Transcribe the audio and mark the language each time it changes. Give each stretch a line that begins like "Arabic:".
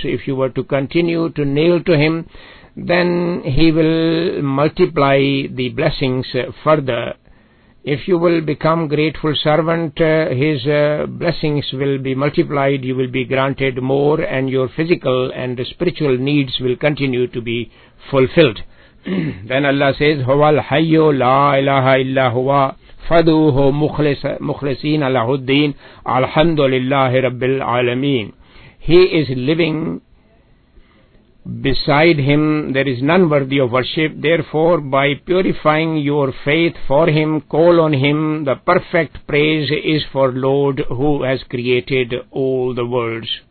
English: If you were to continue to kneel to Him, then He will multiply the blessings further. If you will become grateful servant, His blessings will be multiplied, you will be granted more, and your physical and spiritual needs will continue to be fulfilled. Then Allah says,
Arabic: هو الحي لا إله إلا هو فدوه مخلصين له الدين الحمد لله رب العالمين.
English: He is living. Beside Him, there is none worthy of worship. Therefore, by purifying your faith for Him, call on Him. The perfect praise is for Lord who has created all the worlds.